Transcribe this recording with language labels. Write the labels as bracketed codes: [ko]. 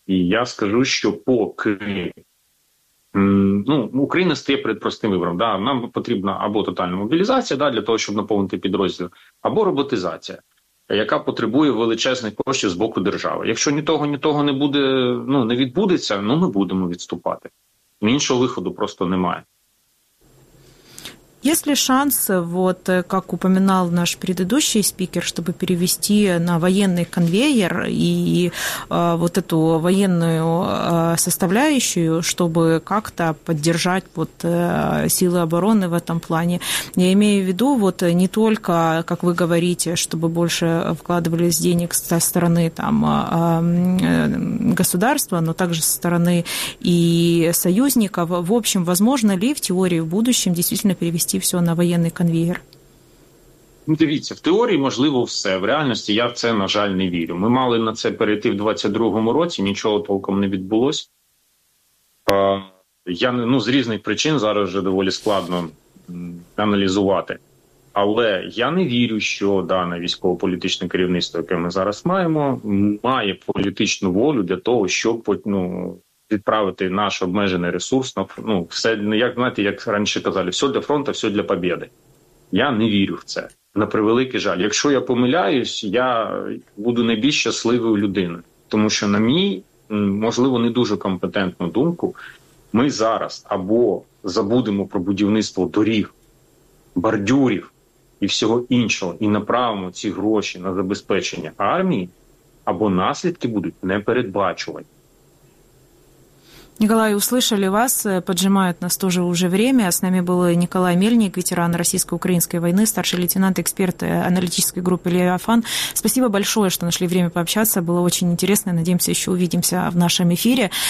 [uk] І я скажу, що поки, ну, Україна стає перед простим вибором, да? Нам потрібна або тотальна мобілізація, да, для того, щоб наповнити підрозділ, або роботизація, яка потребує величезних коштів з боку держави. Якщо ні того не буде, ну, не відбудеться, ну, ми будемо відступати. Іншого виходу просто немає. [ru] Є ли шанс, вот, як упоминав наш предыдущий спікер, [uk] щоб перевести на воєнний конвейер і [ru] вот эту воєнну составляющую, щоб как-то поддержать вот силы обороны в этом плане? Я имею в виду, вот не только, как вы говорите, чтобы больше вкладывались денег со стороны там государства, но также со стороны и союзников. В общем, возможно ли в теории в будущем действительно перевести все на [uk] воєнний конвейер? Дивіться, в теорії можливо все, в реальності я в це, на жаль, не вірю. Ми мали на це перейти в 22-му році, нічого толком не відбулося. Я, ну, з різних причин зараз вже доволі складно аналізувати. Але я не вірю, що дане військово-політичне керівництво, яке ми зараз маємо, має політичну волю для того, щоб, ну, відправити наш обмежений ресурс, ну, все, як, знаєте, як раніше казали, все для фронту, [ru] все для побєди. [uk] Я не вірю в це. На превеликий жаль. Якщо я помиляюсь, я буду найбільш щасливою людиною. Тому що, на мій, можливо, не дуже компетентну думку, ми зараз або забудемо про будівництво доріг, бордюрів і всього іншого, і направимо ці гроші на забезпечення армії, або наслідки будуть непередбачувані. [ru] Николай, услышали вас, поджимают нас тоже уже время. С нами был Николай Мельник, ветеран российско-украинской войны, старший лейтенант, эксперт аналитической группы «Левиафан». Спасибо большое, что нашли время пообщаться. Было очень интересно. Надеемся, еще увидимся в нашем эфире.